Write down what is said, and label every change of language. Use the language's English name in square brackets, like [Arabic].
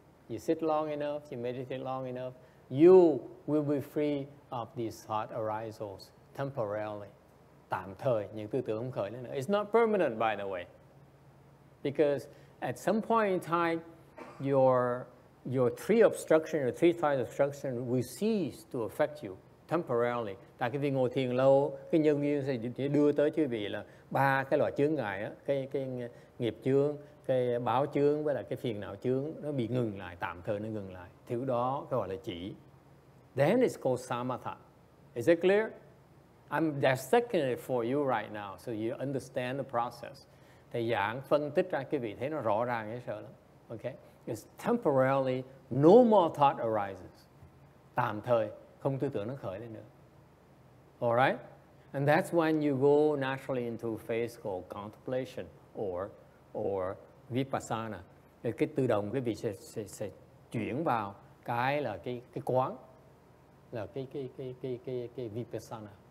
[English] You sit long enough, you meditate long enough, you will be free of these thought arisals temporarily. [Vietnamese] Tạm thời, những tư tưởng không khởi lên nữa. [English] It's not permanent, by the way. Because at some point in time, your three obstruction, your three thought obstruction will cease to affect you temporarily. [Vietnamese] Tại cái vì ngồi thiền lâu, cái nhân duyên sẽ đưa tới chứ vị là ba cái loại chướng ngại, cái nghiệp chướng, cái báo chướng với lại cái phiền não chướng nó bị ngừng lại, tạm thời nó ngừng lại. Thứ đó gọi là chỉ. [English] Then it's called samatha. Is it clear? I'm dissecting it for you right now so you understand the process. [Vietnamese] Thầy giảng phân tích ra cái vị thấy nó rõ ràng dễ sợ lắm. Okay? [English] It's temporarily no more thought arises. [Vietnamese] Tạm thời không tư tưởng nó khởi lên nữa. [English] All right? And that's when you go naturally into a phase called contemplation or Vipassana. [Vietnamese] Cái tự động quý vị sẽ chuyển vào cái là cái quán là cái Vipassana.